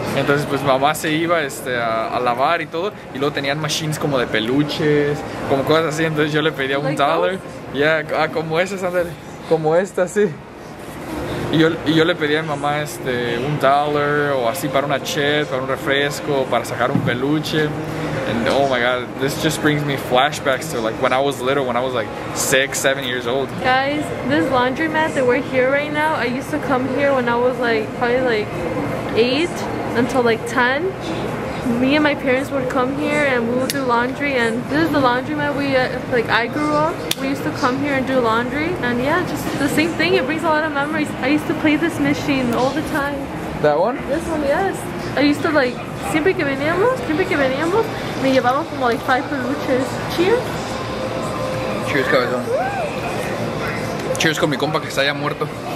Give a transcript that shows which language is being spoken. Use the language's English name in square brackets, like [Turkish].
[Spanish] Entonces pues mamá se iba a lavar y todo y luego tenían machines como de peluches, como cosas así, entonces yo le pedía un dólar. Ya, como esas, ándale. Como esta, sí. Y yo le pedía a mi mamá un dólar o así para una chet, para un refresco, para sacar un peluche. [English] And oh my god, this just brings me flashbacks to like when I was little, when I was like 6, 7 years old. Guys, this laundromat that we're here right now, I used to come here when I was like probably like 8 until like 10. Me and my parents would come here and we would do laundry, and this is the laundromat we like I grew up. We used to come here and do laundry, and yeah, just the same thing. It brings a lot of memories. I used to play this machine all the time. That one? This one, yes. I used to like [Spanish] siempre que veníamos, me llevaba como like 5 peluches. [English] Cheers. Cheers, cabezón. [Spanish] Cheers con mi compa que está ya muerto.